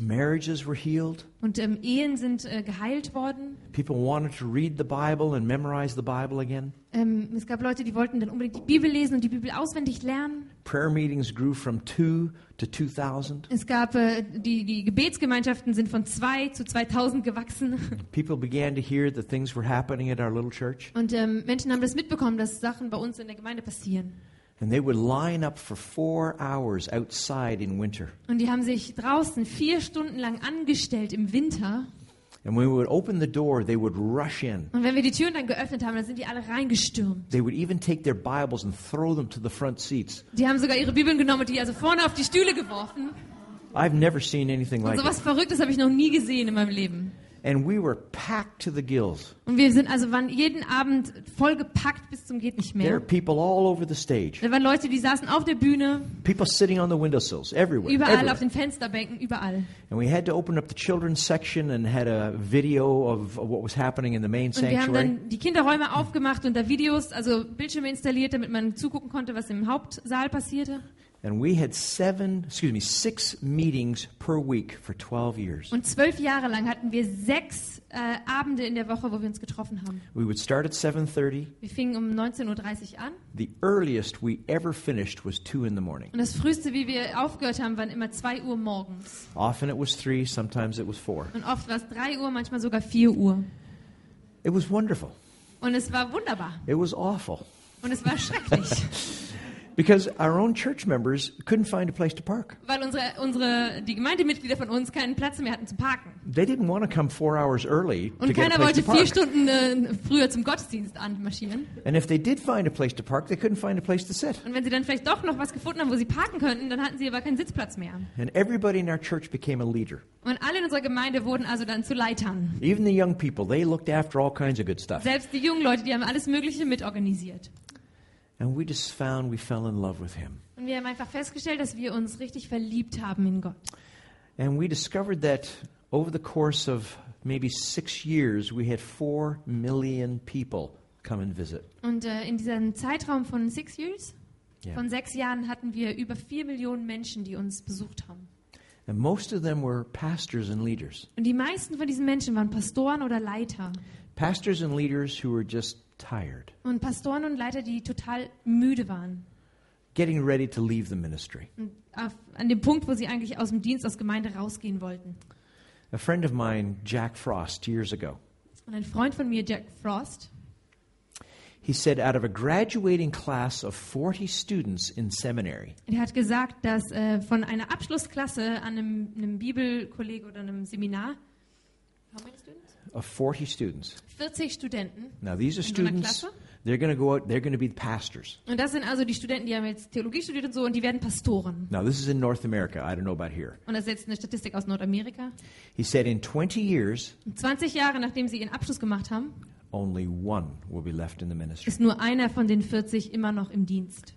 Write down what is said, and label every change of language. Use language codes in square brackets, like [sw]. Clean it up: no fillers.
[en] Marriages were healed. [de] Und Ehen sind geheilt worden. [en] People wanted to read the Bible and memorize the Bible again. [de] Es gab Leute, die wollten dann unbedingt die Bibel lesen und die Bibel auswendig lernen. [en] Prayer meetings grew from 2 to 2,000. [de] Es gab die Gebetsgemeinschaften sind von 2 to 2,000 gewachsen. [en] People began to hear that things were happening at our little church. [de] Und Menschen haben das mitbekommen, dass Sachen bei uns in der Gemeinde passieren. [en] And they would line up for 4 hours outside in winter. [de] Und die haben sich draußen 4 Stunden lang angestellt im Winter. [en] And when we would open the door, they would rush in. [de] Und wenn wir die Türen dann geöffnet haben, dann sind die alle reingestürmt. [en] They would even take their Bibles and throw them to the front seats. [de] Die haben sogar ihre Bibeln genommen und die also vorne auf die Stühle geworfen. [en] I've never seen anything like that. [de] Und sowas Verrücktes habe ich noch nie gesehen in meinem Leben. [en] And we were packed to the gills. [de] Und wir sind also waren jeden Abend voll gepackt bis zum geht nicht mehr. [en] There were people all over the stage. [de] Da waren Leute, die saßen auf der Bühne. [en] People sitting on the windowsills everywhere. [de] Überall auf den Fensterbänken, überall. [en] And we had to open up the children's section and had a video of what was happening in the main sanctuary. [de] Und wir haben dann die Kinderräume aufgemacht und da Videos, also Bildschirme installiert, damit man zugucken konnte, was im Hauptsaal passierte. [en] And we had 6 meetings per week for 12 years. [de] Und 12 Jahre lang hatten wir 6 Abende in der Woche, wo wir uns getroffen haben. [en] We would start at 7:30. [de] Wir fingen um 19:30 Uhr an. [en] The earliest we ever finished was 2 in the morning. [de] Und das früheste, wie wir aufgehört haben, waren immer 2 Uhr morgens. [en] Often it was 3, sometimes it was 4. [de] Und oft war es 3 Uhr, manchmal sogar 4 Uhr. [en] It was wonderful. [de] Und es war wunderbar. [en] It was awful. [de] Und es war schrecklich. [en] Because our own church members couldn't find a place to park. [de] Weil die Gemeindemitglieder von uns keinen Platz mehr hatten zu parken. [en] They didn't want to come 4 hours early to get a place to park. [de] Und keiner wollte 4 Stunden früher zum Gottesdienst anmarschieren. [en] And if they did find a place to park, they couldn't find a place to sit. [de] Und wenn sie dann vielleicht doch noch was gefunden haben, wo sie parken könnten, dann hatten sie aber keinen Sitzplatz mehr. [en] And everybody in our church became a leader. [de] Und alle in unserer Gemeinde wurden also dann zu Leitern. [en] Even the young people, they looked after all kinds of good stuff. [de] Selbst die jungen Leute, die haben alles Mögliche mitorganisiert. [en] And we just found we fell in love with him. [de] Und wir haben einfach festgestellt, dass wir uns richtig verliebt haben in Gott. [en] And we discovered that over the course of maybe 6 years, we had 4 million people come and visit. [de] Und in diesem Zeitraum von 6 [en] years, yeah. [de] Von 6 Jahren hatten wir über 4 Millionen Menschen, die uns besucht haben. [en] And most of them were pastors and leaders. [de] Und die meisten von diesen Menschen waren Pastoren oder Leiter. [en] Pastors and leaders who were just tired. [de] Und Pastoren und Leiter, die total müde waren. [en] Getting ready to leave the ministry. [de] An dem Punkt, wo sie eigentlich aus dem Dienst, aus Gemeinde rausgehen wollten. [en] A friend of mine, Jack Frost, years ago. [de] Und ein Freund von mir, Jack Frost. [en] He said, out of a graduating class of 40 students in seminary. [de] Er hat gesagt, dass von einer Abschlussklasse an einem Bibelkolleg oder einem Seminar. [en] How many students? Of 40 students. [de] 40 Studenten. [en] Now these are students. They're going to go out. They're going to be the pastors. [de] Und das sind also die Studenten, die haben jetzt Theologie studiert und so, und die werden Pastoren. [en] Now this is in North America. I don't know about here. [de] Und das ist jetzt eine Statistik aus Nordamerika. [en] He said, in 20 years. [de] 20 Jahre nachdem sie ihren Abschluss gemacht haben. [en] Only one will be left in the ministry. [de] Ist nur einer von den 40 immer noch im Dienst.